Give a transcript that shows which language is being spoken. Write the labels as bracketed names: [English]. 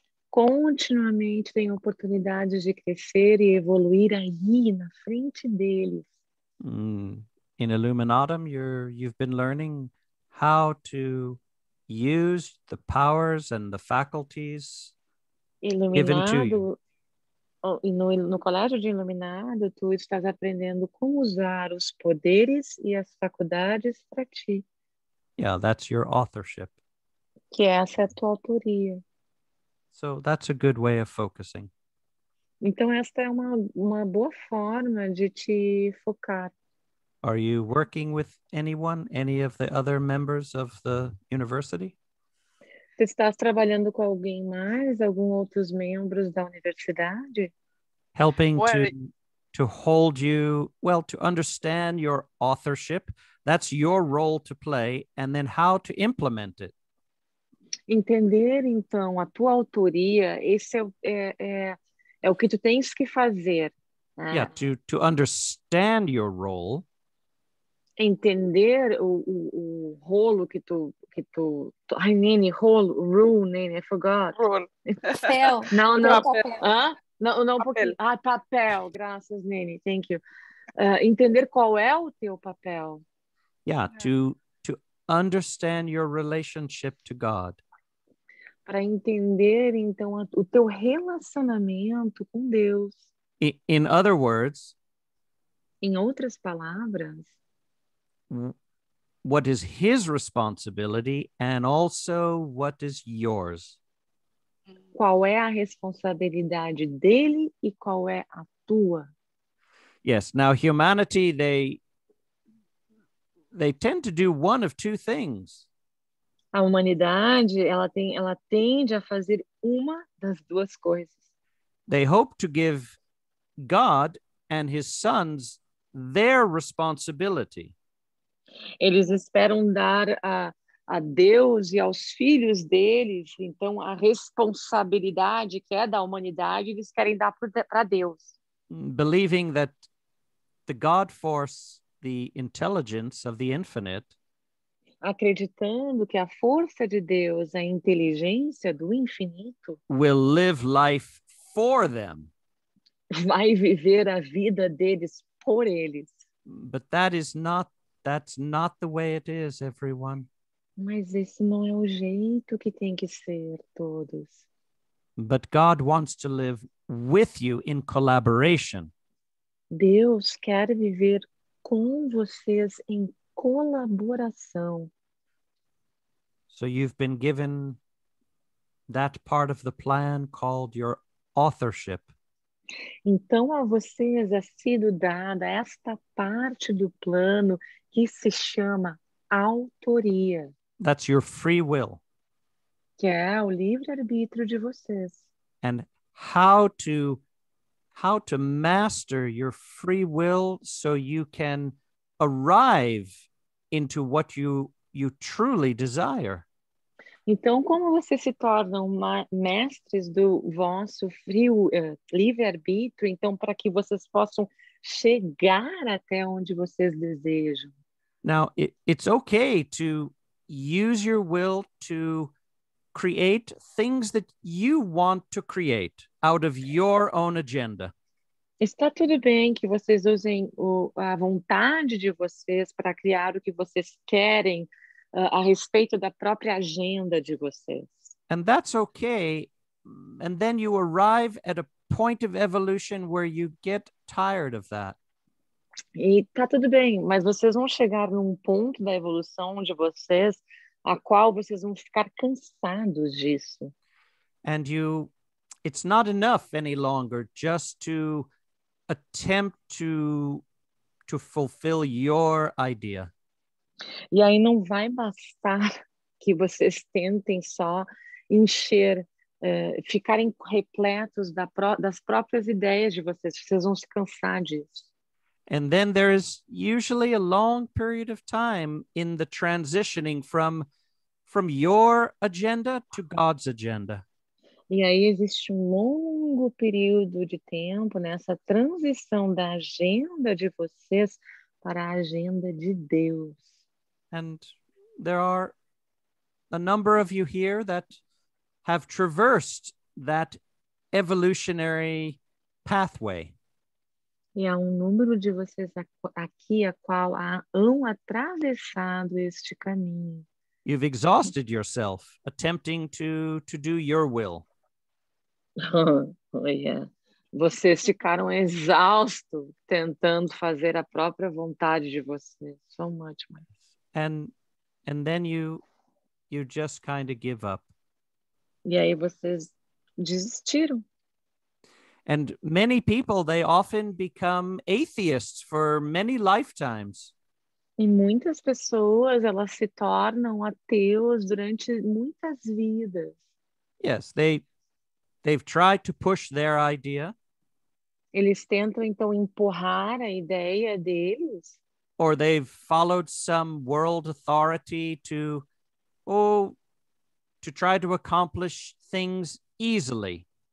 [Portuguese] Continuamente tem oportunidades de crescer e evoluir aí na frente deles. [English] In Illuminatum, you've been learning how to use the powers and the faculties given to you. [Portuguese] No colégio de Iluminado, tu estás aprendendo como usar os poderes e as faculdades para ti. [English] Yeah, that's your authorship. [Portuguese] Que essa é a tua autoria. [English] So that's a good way of focusing. [Portuguese] Então, esta é uma boa forma de te focar. [English] Are you working with anyone, any of the other members of the university? [Portuguese] Tu estás trabalhando com alguém mais, algum outros membros da universidade? [English] Helping to hold you, well, to understand your authorship. That's your role to play, and then how to implement it. [Portuguese] Entender, então, a tua autoria, esse é o que tu tens que fazer. Né? [English] Yeah, to understand your role. [Portuguese] Entender o rolo que tu [English] I mean, [Portuguese] rolo, rule, Nene, [English] I forgot. [Portuguese] Rolo. Papel. Não, papel. Hã? Não, um pouquinho. Ah, papel, graças, Nene, [English] thank you. [Portuguese] Entender qual é o teu papel. [English] Yeah, to understand your relationship to God. [Portuguese] Para entender, então, o teu relacionamento com Deus. [English] In other words. [Portuguese] Em outras palavras. [English] What is his responsibility and also what is yours? [Portuguese] qual é a responsabilidade dele e qual é a tua? [English] Yes, now humanity, they tend to do one of two things. [Portuguese] A humanidade, ela tende a fazer uma das duas coisas. [English] They hope to give God and his sons their responsibility. [Portuguese] Eles esperam dar a Deus e aos filhos deles, então a responsabilidade que é da humanidade, eles querem dar para Deus. [English] Believing that the God force, the intelligence of the infinite, [Portuguese] acreditando que a força de Deus, a inteligência do infinito, [English] will live life for them. [Portuguese] Vai viver a vida deles por eles. [English] But that is not, that's not the way it is, everyone. [Portuguese] Mas esse não é o jeito que tem que ser, todos. [English] But God wants to live with you in collaboration. [Portuguese] Deus quer viver com vocês em colaboração. [English] So you've been given that part of the plan called your authorship. [Portuguese] Então a vocês é sido dada esta parte do plano que se chama autoria. [English] That's your free will. [Portuguese] Que é o livre-arbítrio de vocês. [English] And how to master your free will so you can arrive into what you truly desire. [Portuguese] Então, como vocês se tornam mestres do vosso livre-arbítrio, então, para que vocês possam chegar até onde vocês desejam. [English] Now, it's okay to use your will to create things that you want to create out of your own agenda. [Portuguese] Está tudo bem que vocês usem a vontade de vocês para criar o que vocês querem a respeito da própria agenda de vocês. [English] And that's okay. And then you arrive at a point of evolution where you get tired of that. [Portuguese] E tá tudo bem, mas vocês vão chegar num ponto da evolução de vocês a qual vocês vão ficar cansados disso. [English] And it's not enough any longer just to attempt to fulfill your idea. [Portuguese] E aí não vai bastar que vocês tentem só encher, ficarem repletos das próprias ideias de vocês. Vocês vão se cansar disso. [English] And then there is usually a long period of time in the transitioning from your agenda to God's agenda. [Portuguese] E aí existe um longo período de tempo nessa transição da agenda de vocês para a agenda de Deus. [English] And there are a number of you here that have traversed that evolutionary pathway. [Portuguese] E há um número de vocês aqui a qual hão atravessado este caminho. [English] You've exhausted yourself attempting to do your will. Oh, yeah. [Portuguese] Vocês ficaram exaustos tentando fazer a própria vontade de vocês. [English] So much, [Portuguese] mais. [English] And then you just kind of give up. [Portuguese] E aí vocês desistiram. [English] And many people, they often become atheists for many lifetimes. [Portuguese] E muitas pessoas, elas se tornam ateus durante muitas vidas. [English] Yes, they've tried to push their idea. [Portuguese] Eles tentam, então, empurrar a ideia deles. [English] Or they've followed some world authority to try to accomplish things easily.